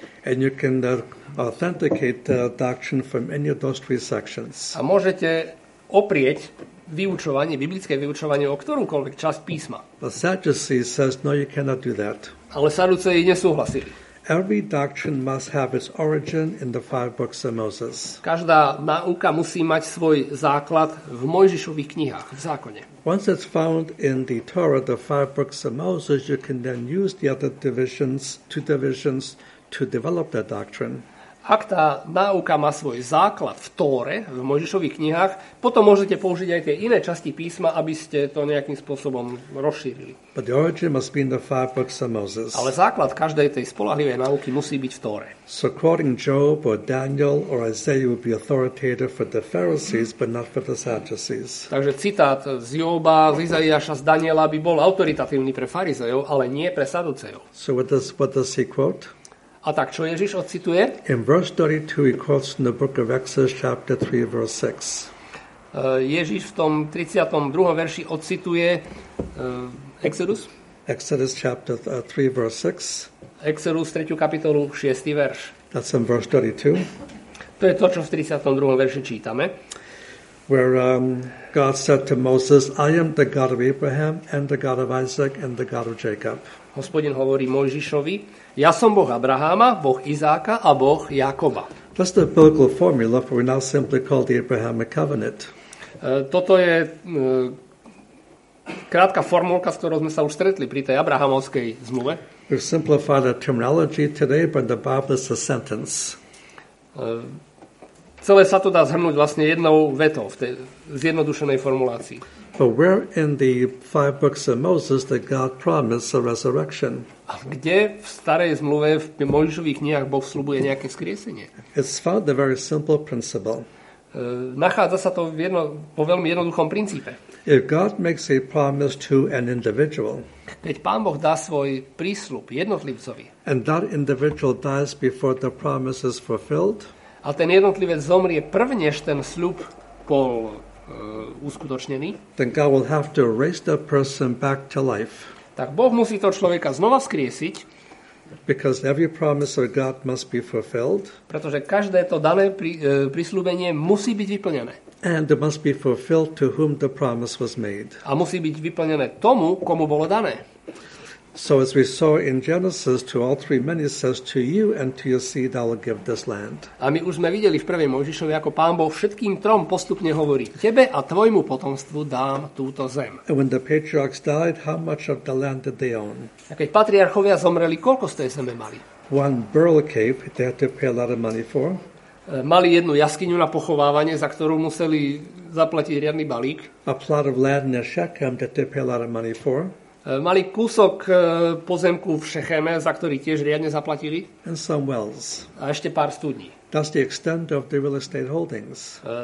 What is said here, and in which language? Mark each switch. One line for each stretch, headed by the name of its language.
English: And you can authenticate the doctrine from any of those three sections.
Slovak: A môžete oprieť vyučovanie, biblické vyučovanie o ktorúkoľvek časť písma.
English: But Sadducees says, no, you cannot do that.
Slovak: Ale Saduceji nesúhlasili.
English: Every doctrine must have its origin in the five books of Moses.
Slovak: Každá náuka musí mať svoj základ v Mojžišových knihách, v zákone.
English: Once it's found in the Torah, the five books of Moses, you can then use the other divisions, two divisions, to develop that doctrine.
Slovak: Ak tá náuka má svoj základ v Tóre, v Mojžišových knihách, potom môžete použiť aj tie iné časti písma, aby ste to nejakým spôsobom rozšírili.
English: But the origin must be in the five books of Moses.
Slovak: Ale základ každej tej spoľahlivej náuky musí byť v Tóre.
English: So quoting Job or Daniel or Isaiah would be authoritative for the Pharisees, but not for the Sadducees.
Slovak: Takže citát z Joba, z Izaiáša, z Daniela by bol autoritatívny pre farizejov, ale nie pre saducejov.
English: So what does he quote?
Slovak: A tak, čo Ježiš odcituje?
English: In verse 32 he quotes in the book of Exodus chapter 3 verse 6.
Slovak: Ježiš v tom 32. verši odcituje Exodus?
English: Exodus chapter 3 verse 6.
Slovak: Exodus 3. kapitolu 6. verš.
English: That's in verse 32.
Slovak: To je to, čo v 32. verši čítame.
English: Where God said to Moses, I am the God of Abraham and the God of Isaac and the God of Jacob.
Slovak: Hospodin hovorí Mojžišovi, ja som Boh Abraháma, Boh Izáka a Boh Jakoba.
English: That's the biblical formula for what we now simply call the Abrahamic covenant.
Slovak: Toto je krátka formulka, s ktorou sme sa už stretli pri tej abrahamovskej zmluve.
English: We've simplified the terminology today, but the Bible is a sentence.
Slovak: Celé sa to dá zhrnúť vlastne jednou vetou v tej zjednodušenej formulácii.
English: But where in the five books of Moses did God promise a resurrection?
Slovak: A kde v starej zmluve v Mojžišových knihách Boh sľubuje nejaké skriesenie?
English: It's found a very simple principle.
Slovak: Nachádza sa to po veľmi jednoduchom princípe.
English: If God makes a promise to an individual,
Slovak: keď Pán Boh dá svoj prísľub jednotlivcovi,
English: and that individual dies before the promise is fulfilled,
Slovak: a ten jednotlivec zomrie prvnež ten sľub bol uskutočnený,
English: then God will have to raise that person back to life.
Slovak: Tak Boh musí toho človeka znova skriesiť.
English: Because every promise of God must be fulfilled.
Slovak: Pretože každé to dané prisľúbenie musí byť vyplnené.
English: And it must be fulfilled to whom the promise was made.
Slovak: A musí byť vyplnené tomu, komu bolo dané.
English: So as we saw in Genesis, to all three men he says, to you and to your seed I will give this land.
Slovak: A my už sme videli v prvej Mojžišovi, ako Pán Boh všetkým trom postupne hovorí, tebe a tvojmu potomstvu dám túto zem.
English: And when the patriarchs died, how much of the land did they own?
Slovak: A keď patriarchovia zomreli, koľko z tej zeme mali?
English: One burial cave they had to pay a lot of money for.
Slovak: Mali jednu jaskyňu na pochovávanie, za ktorú museli zaplatiť riadny balík.
English: A plot of land near Shechem they had to pay a lot of money for.
Slovak: Mali kúsok pozemku v Šecheme, za ktorý tiež riadne zaplatili.
English: And some wells.
Slovak: A ešte pár studní.
English: That's the extent of the real estate holdings.